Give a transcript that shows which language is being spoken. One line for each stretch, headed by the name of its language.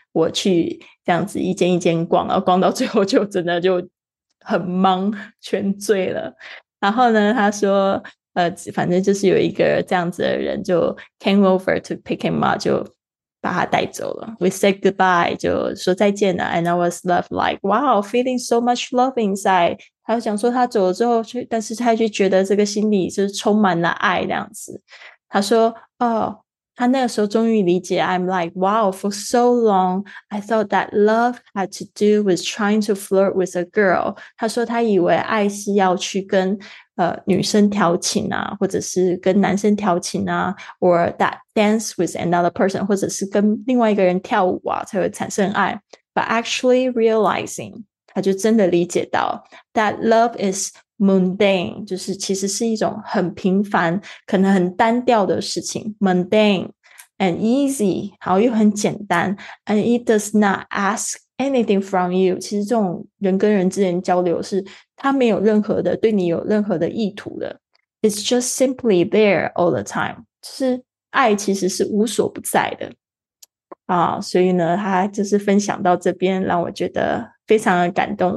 Chinese: 我去这样子一间一间逛，然后逛到最后就真的就很懵，全醉了。然后呢他说反正就是有一个这样子的人就
English: came over to pick him up,
Chinese: 就把他带走了。
English: We said goodbye,
Chinese: 就说再见了。
English: And I was left like, wow, feeling so much love inside.
Chinese: 他就讲说他走了之后去，但是他就觉得这个心里就是充满了爱这样子。他说哦，他那个时候终于理解
English: I'm like, wow, for so long I thought that love had to do with trying to flirt with a girl.
Chinese: 他说他以为爱是要去跟女生调情啊，或者是跟男生调情啊，
English: or that dance with another person,
Chinese: 或者是跟另外一个人跳舞啊才会产生爱。
English: But actually realizing,
Chinese: 他就真的理解到
English: that love is mundane,
Chinese: 就是其实是一种很平凡可能很单调的事情，
English: mundane and easy,
Chinese: 好又很简单，
English: and it does not ask anything from you.
Chinese: 其实这种人跟人之间交流是他没有任何的对你有任何的意图的，
English: it's just simply there all the time.
Chinese: 就是爱其实是无所不在的啊。所以呢他就是分享到这边让我觉得非常的感动。